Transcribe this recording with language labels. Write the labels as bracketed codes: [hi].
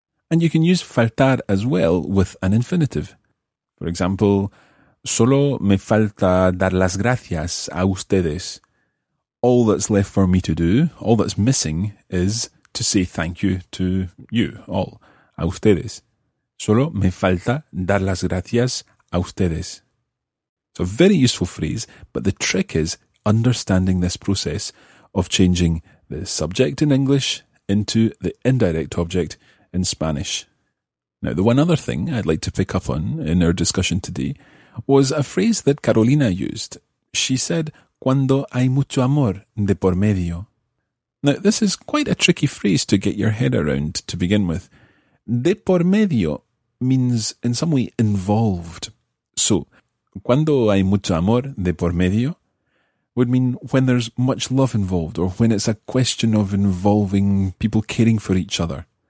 [en] And you can use faltar as well with an infinitive. For example, solo me falta dar las gracias a ustedes. All that's left for me to do, all that's missing, is to say thank you to you all, a ustedes. [es] Solo me falta dar las gracias a ustedes. [en] So very useful phrase, but the trick is understanding this process of changing the subject in English into the indirect object in Spanish. Now, the one other thing I'd like to pick up on in our discussion today was a phrase that Carolina used. [es] She said, cuando hay mucho amor de por medio. [en] Now, this is quite a tricky phrase to get your head around to begin with. De por medio means in some way involved. So, cuando hay mucho amor de por medio would mean when there's much love involved, or when it's a question of involving people caring for each other.